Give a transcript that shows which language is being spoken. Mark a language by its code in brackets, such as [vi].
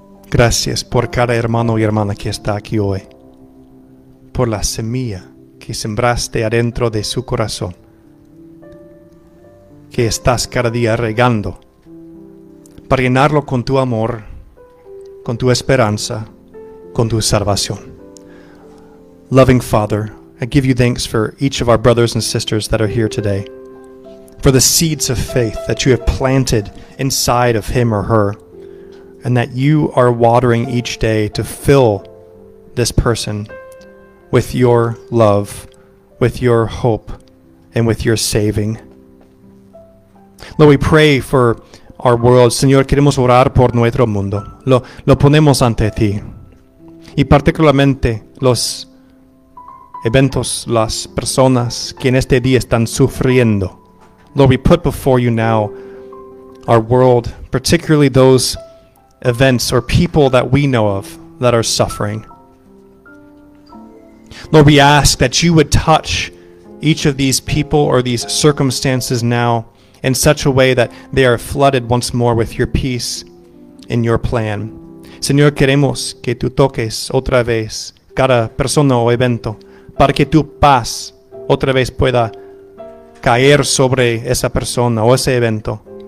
[es] Gracias por cada hermano y hermana que está aquí hoy, por la semilla que sembraste adentro de su corazón, que estás cada día regando para llenarlo con tu amor, con tu esperanza, con tu salvación. [en] Loving Father, I give you thanks for each of our brothers and sisters that are here today, for the seeds of faith that you have planted inside of him or her, and that you are watering each day to fill this person with your love, with your hope, and with your saving. Lord, we pray for our world. [es] Señor, queremos orar por nuestro mundo. Lo ponemos ante ti. Y particularmente los eventos, las personas que en este día están sufriendo. [en] Lord, we put before you now our world, particularly those events or people that we know of that are suffering. Lord, we ask that you would touch each of these people or these circumstances now in such a way that they are flooded once more with your peace and your plan. [es] Señor, queremos que tú toques otra vez cada persona o evento para que tu paz otra vez pueda caer sobre esa persona o ese evento.